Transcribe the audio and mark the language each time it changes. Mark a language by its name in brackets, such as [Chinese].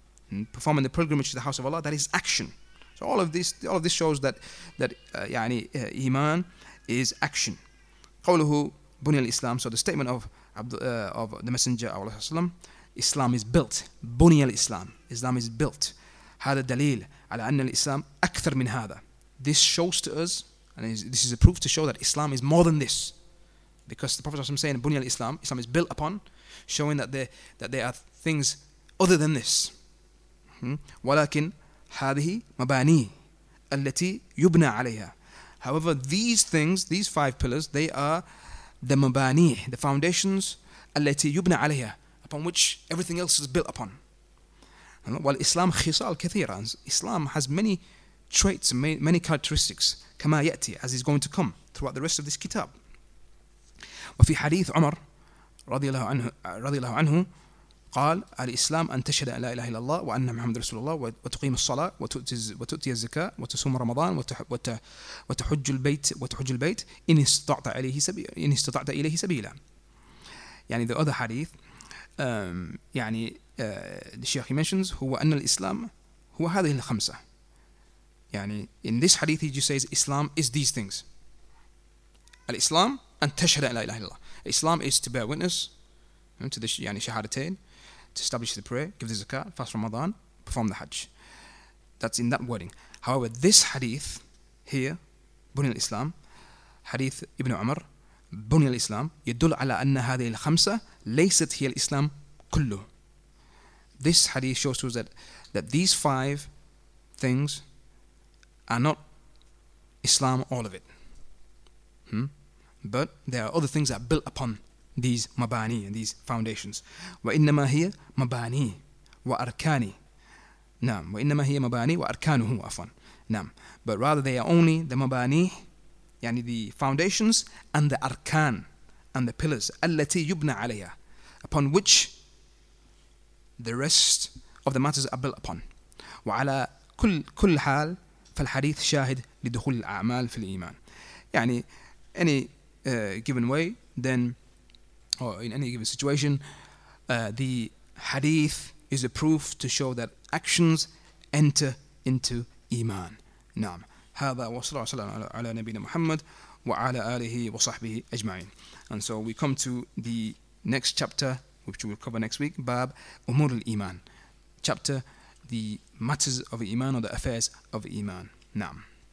[English] And performing the pilgrimage to the house of Allah, that is action. So all of this shows that يعني Iman is action. [Arabic] قوله بني الإسلام. [English] So the statement of the Messenger of Allah, Islam is built. [Arabic] بني الإسلام. [English] Islam is built. [Arabic] هذا دليل على أن الإسلام أكثر من هذا. [English] This shows to us, and this is a proof to show that Islam is more than this, because the Prophet is saying [Arabic] بني الإسلام. [English] Islam is built upon, showing that there are things other than this. [Arabic] ولكن هذه مباني التي يبنى عليها. [English] However, these things, these five pillars, they are the مباني, the foundations [Arabic] التي يبنى عليها, [English] upon which everything else is built upon. [Arabic] والإسلام خصال كثيرة. [English] Islam has many traits, many characteristics. [Arabic] كما يأتي, [English] as is going to come throughout the rest of this kitab. [Arabic] وفي حديث عمر رضي الله عنه قال الإسلام أن تشهد أن لا إله إلا الله وأن محمد رسول الله وتقيم الصلاة وتؤتي الزكاة وتصوم رمضان وتحج البيت إن استطعت إليه سبيلا. يعني [English] the other hadith, the Shaykh mentions, [Arabic] هو أن الإسلام هو هذه الخمسة. [English] يعني in this hadith he just says Islam is these things. [Arabic] الإسلام أن تشهد أن لا إله إلا الله. [English] Islam is to bear witness to the shahadatain, to establish the prayer, give the zakat, fast Ramadan, perform the hajj. That's in that wording. However, this hadith here, Buni al-Islam, hadith Ibn Umar, Buni al-Islam, [Arabic] يدل على أن هذه الخمسة ليست هي الإسلام كله. [English] This hadith shows us that these five things are not Islam, all of it. But there are other things that are built upon these mabani and these foundations. [Arabic] وإنما هي مباني وأركاني. نعم. وإنما هي مباني وأركانه أفن. نعم. [English] But rather they are only the mabani, يعني the foundations and the arkan and the pillars [Arabic] التي يبنى عليها, [English] upon which the rest of the matters are built upon. [Arabic] وعلى كل حال فالحديث شاهد لدخول الأعمال في الإيمان. [English] يعني any given way, then, or in any given situation, the hadith is a proof to show that actions enter into Iman. [Arabic] Naam. هذا وصلى الله على نبينا محمد وعلى آله وصحبه أجمعين. [English] And so we come to the next chapter, which we'll cover next week, Bab Umur al-Iman. Chapter, the matters of Iman, or the affairs of Iman. Naam.